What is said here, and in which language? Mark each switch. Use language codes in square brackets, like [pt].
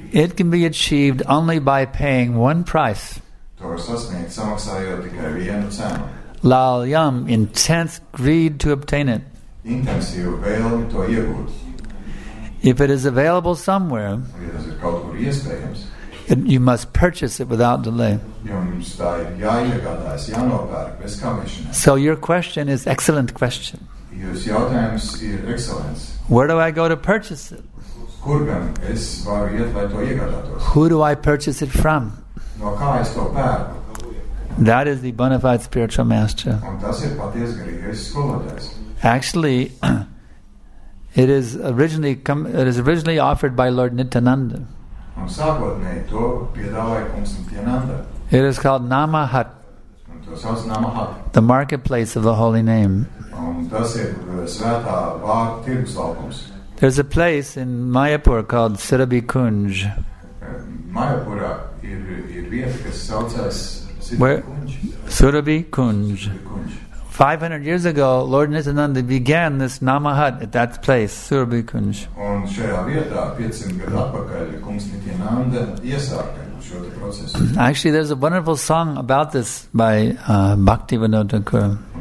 [en] It can be achieved only by paying one price. [lv] To sasniegt, samaksājot tikai vienu cenu. [en] Lalyam, intense greed to obtain it. [lv] Intensīvu vēlmi to iegūt. [en] If it is available somewhere, [lv] ja tas ir kaut kur iespējams, [en] you must purchase it without delay. [lv] Jums tā ir jāiegādājas, jānopērk bez kamīšanas. [en] So your question is excellent question. [lv] Jūs jautājums ir excellence. [en] Where do I go to purchase it? [lv] Kur gan es varu iet, lai to iegādātos? [en] Who do I purchase it from? [lv] No kā es to pērku? [en] That is the bona fide spiritual master. [lv] Un tas ir paties garīgais skolotājs. [en] Actually, it is originally offered by Lord Nityananda. [lv] Un sākotnēji to piedāvāja kungs Nityananda. [en] It is called Namahat. [lv] Un to sauc Namahat. [en] The marketplace of the holy name. [lv] Un tas ir svētā vārta tirgus laukums. [en] There's a place in Mayapur called Sirabhi Kunj. [lv] Mayapurā ir vieta, kas saucās Surabhi Kunj. [en] 500 years ago, Lord Nityananda began this Namahat at that place, Surabhi Kunj. [lv] Un šajā vietā 500 gadu atpakaļ kungs Nityananda iesāka [en] Actually, there's a wonderful song about this by Bhaktivinoda Thakur.